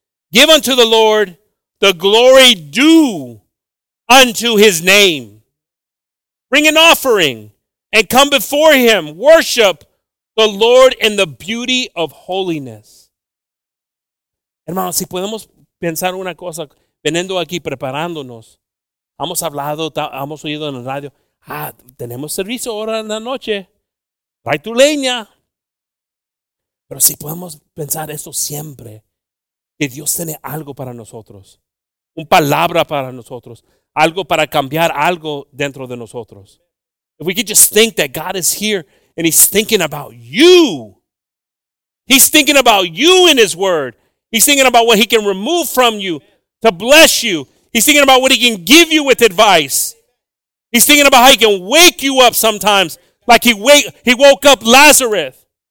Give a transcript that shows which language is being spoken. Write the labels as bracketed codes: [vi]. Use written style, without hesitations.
[en] Give unto the Lord the glory due unto his name. Bring an offering and come before him. Worship the Lord in the beauty of holiness. [es] Hermanos, si podemos pensar una cosa. Veniendo aquí, preparándonos, hemos hablado, hemos oído en la radio, tenemos servicio ahora en la noche, trae tu leña. Pero si podemos pensar eso siempre, que Dios tiene algo para nosotros, una palabra para nosotros, algo para cambiar algo dentro de nosotros. [en] If we could just think that God is here and he's thinking about you, he's thinking about you in his word, he's thinking about what he can remove from you, to bless you. He's thinking about what he can give you with advice. He's thinking about how he can wake you up sometimes, like he woke up Lazarus.